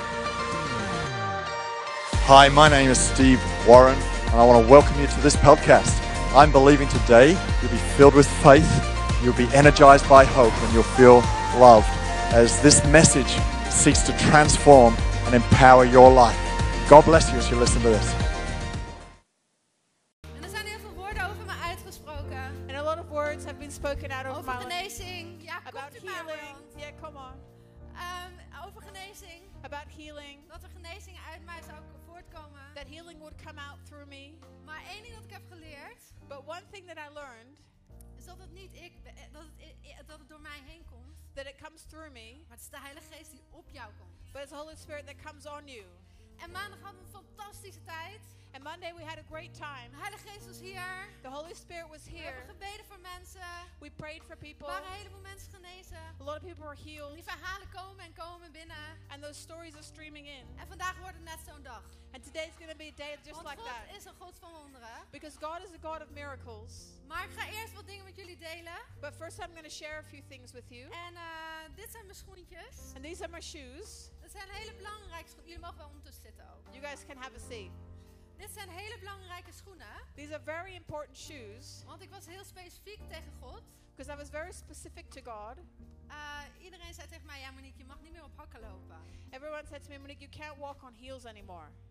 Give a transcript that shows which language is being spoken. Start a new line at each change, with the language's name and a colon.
English: Hi, my name is Steve Warren, and I want to welcome you to this podcast. I'm believing today you'll be filled with faith, you'll be energized by hope, and you'll feel loved as this message seeks to transform and empower your life. God bless you as you listen to this. And there
Dutch: zijn heel veel woorden over me uitgesproken.
English: And a lot of words have been spoken out over my
Dutch: genezing. Ja,
English: about healing. Yeah, come on.
Dutch: Over genezing.
English: About healing.
Dutch: Dat er genezing uit mij zou voortkomen.
English: That healing would come out through me.
Dutch: Maar één ding dat ik heb geleerd.
English: But one thing that I learned.
Dutch: Is dat het niet ik, dat het door mij heen komt.
English: That it comes through me.
Dutch: Maar het is de Heilige Geest die op jou komt.
English: But it's the Holy Spirit that comes on you.
Dutch: En maandag hadden we een fantastische tijd.
English: And Monday we had a great time.
Dutch: De Heilige Geest was hier.
English: The Holy Spirit was here.
Dutch: We hebben gebeden voor mensen.
English: We prayed for people.
Dutch: Waren een heleboel mensen genezen.
English: A lot of people were healed.
Dutch: En die verhalen komen en komen binnen.
English: And those stories are streaming in.
Dutch: En vandaag wordt het net zo'n dag.
English: And today's going to be a day just
Dutch: Want
English: like
Dutch: God
English: that.
Dutch: God is een God van wonderen.
English: Because God is a God of miracles.
Dutch: Maar ik ga eerst wat dingen met jullie delen.
English: But first I'm going to share a few things with you.
Dutch: En dit zijn mijn schoentjes.
English: And these are my shoes.
Dutch: Dat zijn hele belangrijke schoenen. Jullie mogen wel ondertussen zitten ook.
English: You guys can have a seat.
Dutch: Dit zijn hele belangrijke schoenen.
English: These are very important shoes.
Dutch: Want ik was heel specifiek tegen God.
English: Because I was very specific to God.
Dutch: Iedereen zei tegen mij, ja Monique, je mag niet meer op hakken lopen.
English: Everyone said to me, Monique, you can't walk on heels anymore.